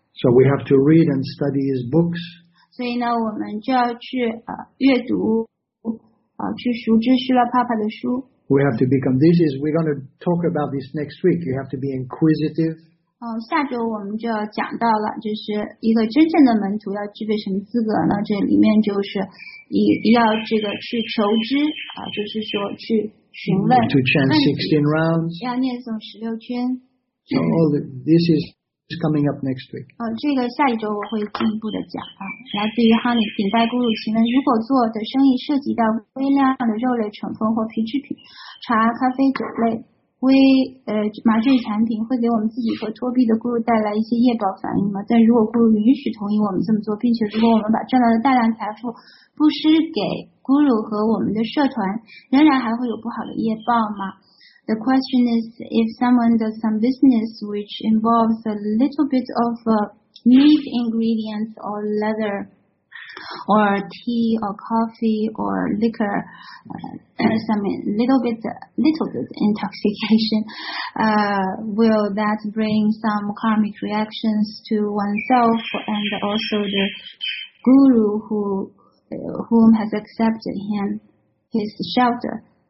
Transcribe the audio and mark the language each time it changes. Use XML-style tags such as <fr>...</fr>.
<en>So we have to read and study his books.</en> <zh>所以呢，我们就要去阅读去熟知 Srila Prabhupada 的书。</zh> <en>We have to become. This is. We're going to talk about this next week. You have to be inquisitive.</en> <zh>下周我们就讲到了，就是一个真正的门徒要具备什么资格呢？这里面就是要这个去求知就是说去询问。</zh> <en>To chant 16 rounds.</en> <zh>要念诵16圈。</zh> <en>So all the, this is coming up next week.</en> <zh>这个下一周我会进一步的讲来自于哈里顶戴咕噜，请问如果做的生意涉及到微量的肉类成分或皮制品、茶、咖啡、酒类、麻醉产品，会给我们自己和托庇的咕噜带来一些业报反应吗？但如果咕噜允许同意我们这么做，并且如果我们把赚到的大量财富布施给咕噜和我们的社团，仍然还会有不好的业报吗？</zh> <en>The question is, if someone does some business which involves a little bit of meat ingredients or leather or tea or coffee or liquor, little bit intoxication, will that bring some karmic reactions to oneself and also the guru whom has accepted him, his shelter?</en>